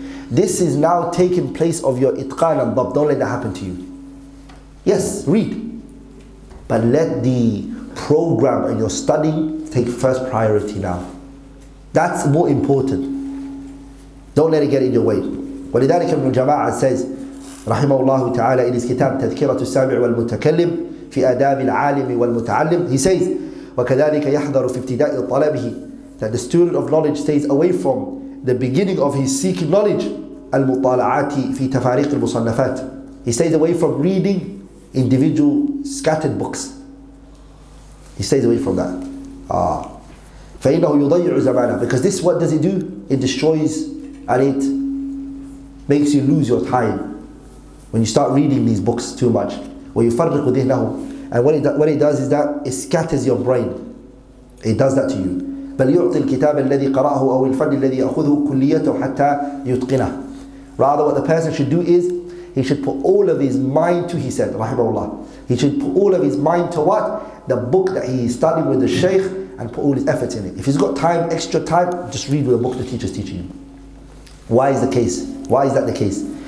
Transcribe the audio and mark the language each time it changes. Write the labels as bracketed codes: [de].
[en] This is now taking place of your itqan and dubbed. Don't let that happen to you. Yes, read. But let the program and your study take first priority now. That's more important. Don't let it get in your way. [ar] ولذلك ابن جماعة [en] says, [ar] رحمه الله تعالى [en] in his kitab, [ar] تذكرة السامع والمتكلم في آداب العالم والمتعلم, [en] he says, [ar] وكذلك يحضر في ابتداء طلبه, [en] that the student of knowledge stays away from the beginning of his seeking knowledge, [ar] المطالعات في تفاريق المصنفات. [en] He stays away from reading individual scattered books. He stays away from that. [ar] فَإِنَّهُ يُضَيِّعُ زَمَانًا. [en] Because this, what does it do? It destroys and it makes you lose your time when you start reading these books too much. [ar] وَيُفَرِّقُ ذِهْنَهُ. [en] And what it does is that it scatters your brain. It does that to you. [ar] بل يعطي الكتاب الذي قرأه أو الفن الذي يأخذه كليته حتى يتقنه. [en] Rather, what the person should do is he should put all of his mind to, he said, rahimahullah, he should put all of his mind to what? The book that he is studying with the Shaykh, and put all his efforts in it. If he's got time, extra time, just read with the book the teacher is teaching him. Why is the case? Why is that the case?